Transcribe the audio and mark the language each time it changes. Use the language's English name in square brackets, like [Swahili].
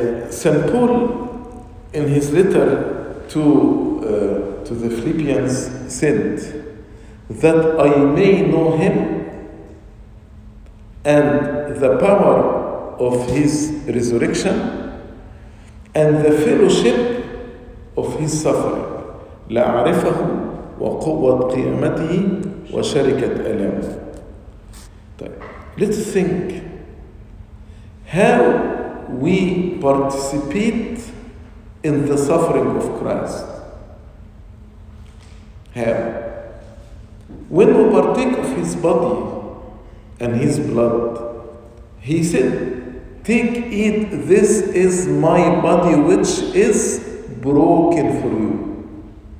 [English] St. Paul, in his letter to the Philippians, said that I may know him and the power of his resurrection, and the fellowship of his suffering. [Arabic] لأعرفه وقوة قيامته وشركة ألامه. [English] Let's think how we participate in the suffering of Christ. How? When we partake of his body and his blood, he said, take, eat, this is my body which is broken for you.